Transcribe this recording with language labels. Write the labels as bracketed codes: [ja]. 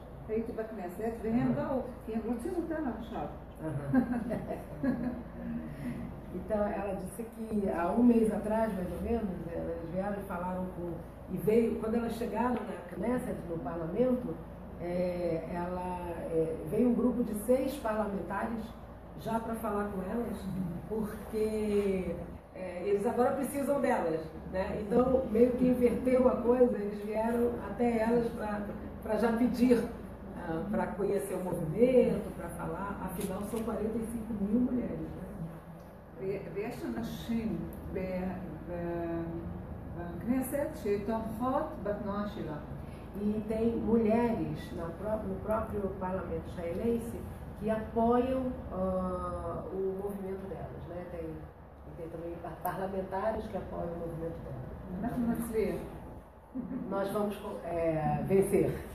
[he] הייתי בכנסת, והם באו, כי הם רוצים אותנו עכשיו. [pt] Então ela disse que há 1 mês atrás, mais ou menos, elas vieram e falaram com... E veio, quando elas chegaram na Knesset, no parlamento, veio um grupo de 6 parlamentares já para falar com elas, porque eles agora precisam delas, né? Então, meio que inverteu a coisa, eles vieram até elas para já pedir para conhecer o movimento, para falar, afinal são 45 mil mulheres, né? [he] ויש אנשים בכנסת שתומכות בתנועה שלה. [pt] E tem mulheres no próprio parlamento israelense que apoiam o movimento delas, né? Tem também parlamentares que apoiam o movimento delas. Nós vamos vencer.